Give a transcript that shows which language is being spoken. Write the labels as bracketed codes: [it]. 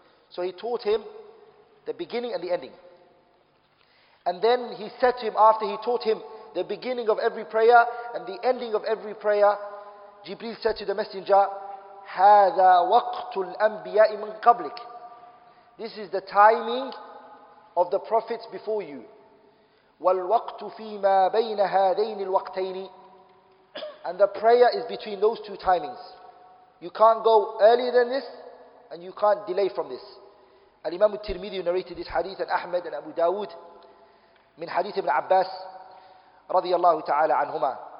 [en] So he taught him the beginning and the ending. And then he said to him, after he taught him the beginning of every prayer and the ending of every prayer, Jibreel said to the Messenger, [ar] هذا وقت الأنبياء من قبلك. [en] This is the timing of the prophets before you. [ar] والوقت فيما بين هذين الوقتين. [en] And the prayer is between those two timings. You can't go earlier than this and you can't delay from this. Al-Imam al-Tirmidhi narrated this hadith, and Ahmed and Abu Dawood min hadith ibn Abbas رضي الله تعالى عنهما.